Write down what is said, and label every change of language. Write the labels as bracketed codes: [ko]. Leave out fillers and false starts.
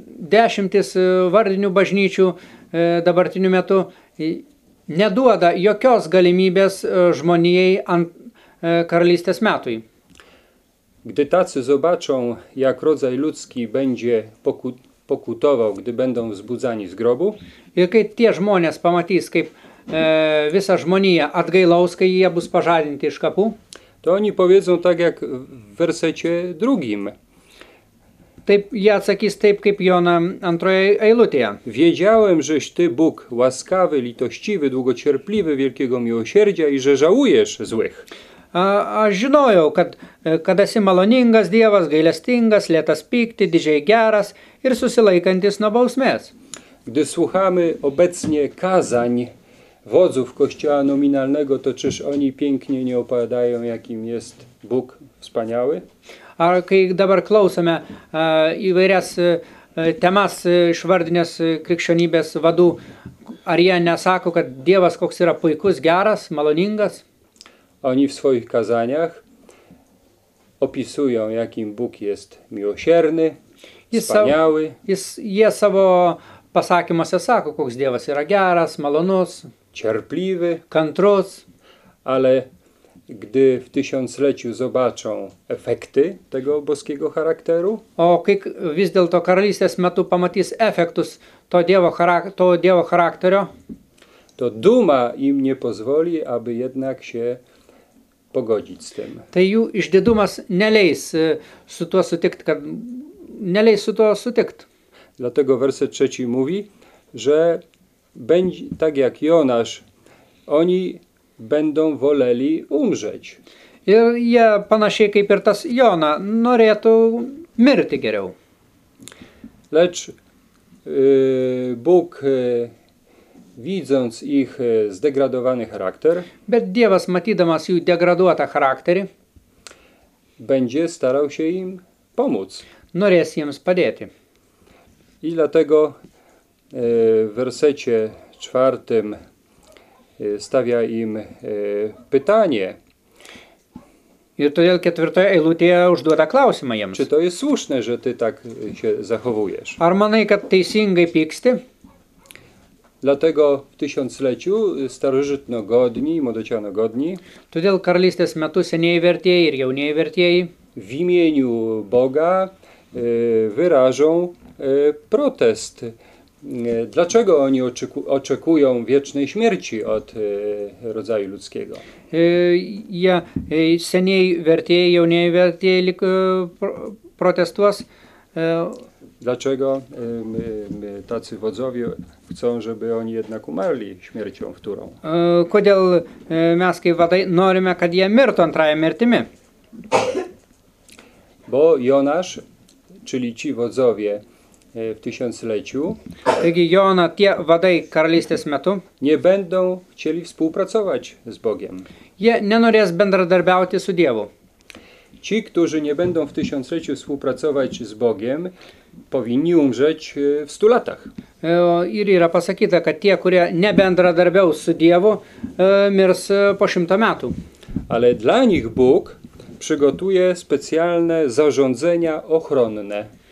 [lt] Dešimtis vardinių bažnyčių dabartiniu metu neduoda jokios galimybės žmonijai ant karalystės metui. [pl] Gdy tacy zobaczą, jak rodzaj ludzki będzie pokutował, gdy będą wzbudzani z grobu, [lt] i kai tie žmonės pamatys, kaip visa žmonija atgailaus, kai jie bus pažadinti iš kapų, [pl] to oni powiedzą tak, jak w wersecie drugim. [lt] Taip, jie atsakys taip, kaip Jona antroje eilutėje. [pl] Wiedziałem, żeś ty Bóg łaskawy, litościwy, długocierpliwy, wielkiego miłosierdzia i że żałujesz złych. [lt] Aš žinojau, kad esi maloningas Dievas, gailestingas, lėtas pykti, didžiai geras ir susilaikantis nuo bausmės. [pl] Gdy słuchamy obecnie kazań wodzów kościoła nominalnego, to czyż oni pięknie nie opowiadają, jakim jest Bóg wspaniały? [lt] A kai dabar klausome įvairias temas išvardinės krikščionybės vadų, ar jie nesako, kad Dievas koks yra puikus, geras, maloningas? [pl] Oni w swoich kazaniach opisują, jakim Bóg jest miłosierny, wspaniały. [lt] Jie savo pasakymuose sako, koks Dievas yra geras, malonus, [pl] cierpliwy, [lt] kantrus. [pl] Ale gdy w tysiącleciu zobaczą efekty tego boskiego charakteru, [lt] o kai vis dėlto karalystės metu pamatys efektus to Dievo charakterio, [pl] to duma im nie pozwoli, aby jednak się pogodzić z tym. [lt] Tai jų išdidumas neleis su tuo sutikt, kad neleis su tuo sutikt. [pl] Dlatego werset trzeci mówi, że będzie tak jak Jonasz, oni będą woleli umrzeć. [lt] Ir jie panašiai kaip ir tas Jona norėtų mirti geriau. [pl] Lecz Bóg widząc ich zdegradowany charakter, [lt] bet Dievas matydamas jų degraduotą charakterį, [pl] będzie starał się im pomóc. [lt] Norės jiems padėti. [pl] I dlatego w wersecie czwartym stawia im pytanie. [lt] Ir todėl ketvirtoje eilutėje užduoda klausimą jiems. [pl] Czy to jest słuszne, że ty tak się zachowujesz? [lt] Ar manai, kad teisingai pyksti? [pl] Dlatego w tysiącleciu starożytnogodni, młodocianogodni, [lt] todėl karalystės metu senieji vertieji ir jaunieji vertieji, [pl] w imieniu Boga wyrażą protest. Dlaczego oni oczekują wiecznej śmierci od rodzaju ludzkiego? [lt] Ja senieji vertieji, jaunieji vertieji protestuos. [pl] Dlaczego my tacy wodzowie chcą, żeby oni jednak umarli śmiercią wtórą? [lt] Kodėl mes kaip vadai norime, kad jie mirtų antrąją mirtimi? [pl] Bo Jonasz, czyli ci wodzowie w tysiącleciu, [lt] taigi Jona, tie vadai karalystės metu, [pl] nie będą chcieli współpracować z Bogiem. [lt] Jie nenorės bendradarbiauti su Dievu. [pl] Ci, którzy nie będą w tysiącleciu współpracować z Bogiem, powinni umrzeć w 100 latach. [lt] Ir yra pasakyta, kad tie, kurie nebendradarbiaus su Dievu, mirs po 100 metų. [pl] Ale dla nich Bóg przygotuje specjalne zarządzenia ochronne.